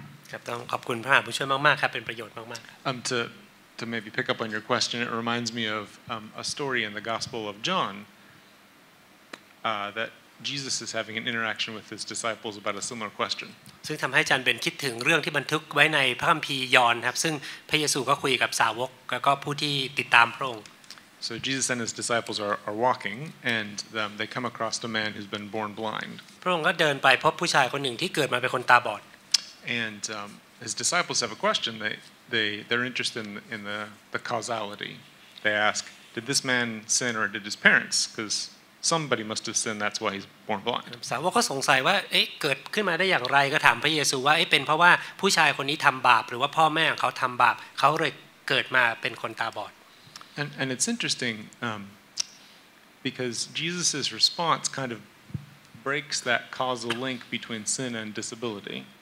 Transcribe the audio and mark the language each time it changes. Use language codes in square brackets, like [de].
[th] ครับ ต้องขอบคุณพระอาจารย์ผู้ช่วยมากๆครับเป็นประโยชน์มากๆครับ [en] To maybe pick up on your question, it reminds me of a story in the Gospel of John that Jesus is having an interaction with his disciples about a similar question. [th] ซึ่งทำให้อาจารย์เบนคิดถึงเรื่องที่บันทึกไว้ในพระคัมภีร์ยอห์นครับซึ่งพระเยซูก็คุยกับสาวกแล้วก็ผู้ที่ติดตามพระองค์ [en] So Jesus and his disciples are walking, and they come across a man who's been born blind. [th] พระองค์ก็เดินไปพบผู้ชายคนหนึ่งที่เกิดมาเป็นคนตาบอด [en] And his disciples have a question they're interested in the causality they ask did this man sin or did his parents because somebody must have sinned that's why he's born blind [th] สาวกก็สงสัยว่าเอ๊ะเกิดขึ้นมาได้อย่างไรก็ถามพระเยซูว่าเอ๊ะเป็นเพราะว่าผู้ชายคนนี้ทําบาปหรือว่าพ่อแม่ของเขาทําบาปเขาเลยเกิดมาเป็นคนตาบอด [en] And it's interesting because Jesus's response kind ofbreaks that causal link between sin and disability.